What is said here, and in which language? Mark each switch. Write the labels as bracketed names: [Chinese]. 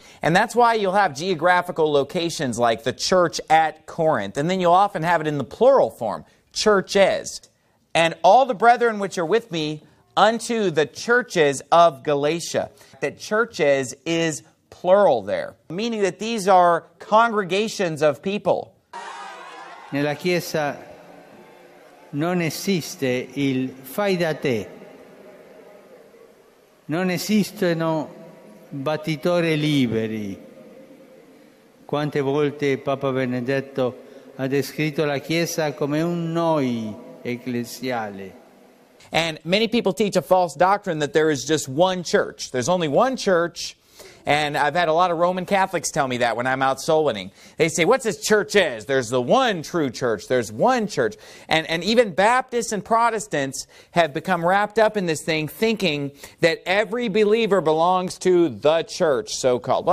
[English] And that's why you'll have geographical locations like the church at Corinth. And then you'll often have it in the plural form, churches. And all the brethren which are with me unto the churches of Galatia. That churches is plural there, meaning that these are congregations of people. [Italian] Nella chiesa non esiste il fai da te. Non esistono battitore liberi. Quante volte Papa Benedetto ha descritto la Chiesa come un noi ecclesiale. [English] And many people teach a false doctrine that there is just one church. There's only one church, and I've had a lot of Roman Catholics tell me that when I'm out soul winning. They say, what's this church is? There's the one true church. There's one church. And even Baptists and Protestants have become wrapped up in this thing, thinking that every believer belongs to the church, so-called.